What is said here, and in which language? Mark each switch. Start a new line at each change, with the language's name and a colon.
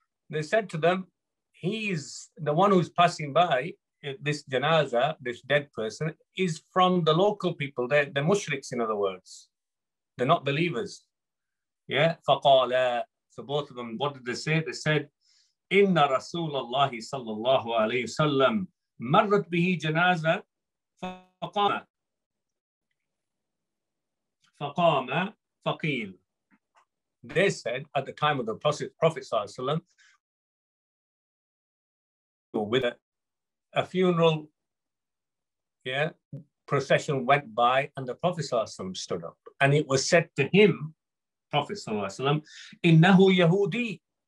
English: They said to them, he's the one who's passing by, this janaza, this dead person, is from the local people. They're mushriks, in other words. They're not believers. Yeah?
Arabic: فَقَالَ.
English: So both of them, what did they say? They said,
Arabic: إِنَّ رَسُولَ اللَّهِ صَلَّى اللَّهُ عَلَيْهِ وَسَلَّمْ مَرَّتْ بِهِ جَنَازَةً فَقَامَ فَقِيلَ.
English: They said at the time of the Prophet Sallallahu Alaihi Wasallam, with a funeral, yeah, procession went by and the Prophet Sallallahu Alaihi Wasallam stood up. And it was said to him, Prophet Sallallahu Alaihi Wasallam,
Arabic: إِنَّهُ يَهُودِي.